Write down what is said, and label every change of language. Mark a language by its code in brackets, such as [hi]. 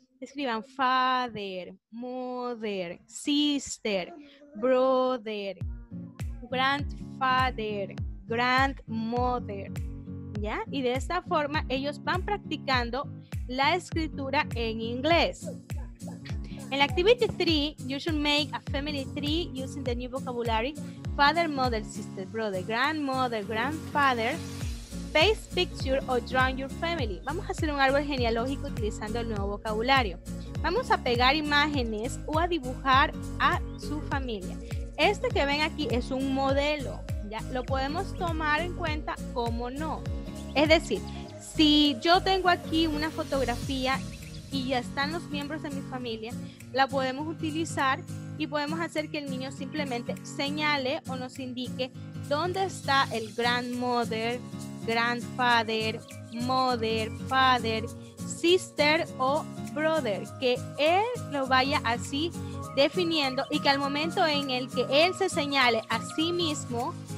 [es] Escriban father, mother, sister, brother, grandfather, grandmother, ¿ya? Y de esta forma ellos van practicando la escritura en inglés. En la [en] activity 3, you should make a family tree using the new vocabulary father, mother, sister, brother, grandmother, grandfather, face picture or draw your family. [es] Vamos a hacer un árbol genealógico utilizando el nuevo vocabulario. Vamos a pegar imágenes o a dibujar a su familia. Este que ven aquí es un modelo, ¿ya? Lo podemos tomar en cuenta como no. Es decir, si yo tengo aquí una fotografía y ya están los miembros de mi familia, la podemos utilizar y podemos hacer que el niño simplemente señale o nos indique dónde está el grandmother, grandfather, mother, father, sister o brother, que él lo vaya así definiendo y que al momento en el que él se señale a sí mismo,